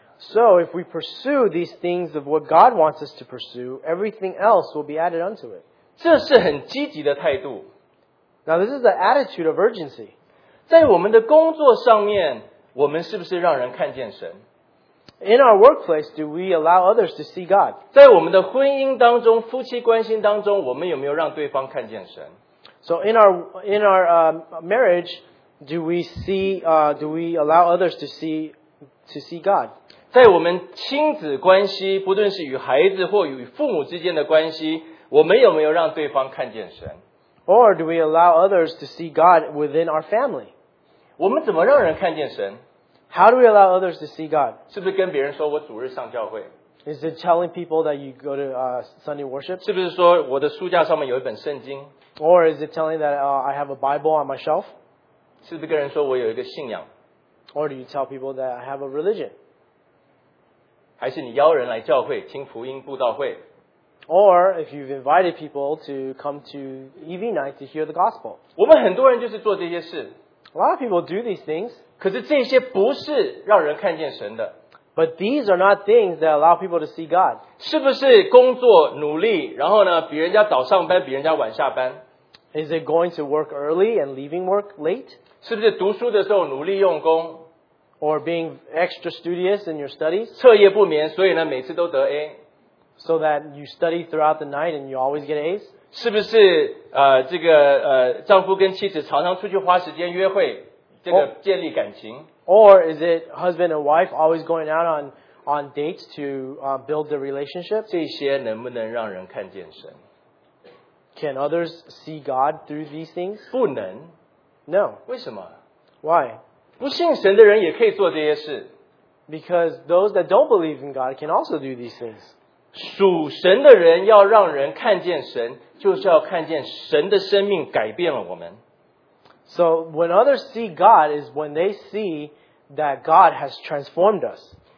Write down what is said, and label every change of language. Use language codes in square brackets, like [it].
[en] So if we pursue these things of what God wants us to pursue, everything else will be added unto it. [zh] 这是很积极的态度。 [en] Now this is the attitude of urgency. [zh] 在我们的工作上面，我们是不是让人看见神？ [en] In our workplace, do we allow others to see God? [zh] 在我们的婚姻当中, 夫妻关系当中, 我们有没有让对方看见神? [en] So in our marriage, do we allow others to see God? [zh] 在我们亲子关系, 不论是与孩子或与父母之间的关系, 我们有没有让对方看见神? [en] Or do we allow others to see God within our family? [zh] 我们怎么让人看见神? [en] How do we allow others to see God? [zh] 是不是跟别人说我主日上教会? [en] Is it telling people that you go to Sunday worship? [zh] 是不是说我的书架上面有一本圣经? [en] Or is it telling that I have a Bible on my shelf? [zh] 是不是跟人说我有一个信仰? [en] Or do you tell people that I have a religion? [zh] 还是你邀人来教会,听福音布道会? [en] Or if you've invited people to come to EV night to hear the gospel. [zh] 我们很多人就是做这些事。 [en] A lot of people do these things. [zh] 可是这些不是让人看见神的。 [en] But these are not things that allow people to see God. [zh] 是不是工作努力, 然后呢, 比人家早上班, 比人家晚下班? [en] Is it going to work early and leaving work late? [zh] 是不是读书的时候努力用功? [en] Or being extra studious in your studies? [zh] 彻夜不眠, 所以呢, 每次都得A? [en] So that you study throughout the night and you always get A's? [zh] 是不是, 这个, 丈夫跟妻子常常出去花时间约会? 这个建立感情? [en] Or is it husband and wife always going out on dates to build the relationship? [zh] 这些能不能让人看见神? [en] Can others see God through these things? [zh] 不能? [en] No. [zh] 为什么? [en] Why? [zh] 不信神的人也可以做这些事。 [en] Because those that don't believe in God can also do these things. [zh] 属神的人要让人看见神, 就是要看见神的生命改变了我们。 [en] So when others see God is when they see that God has transformed us.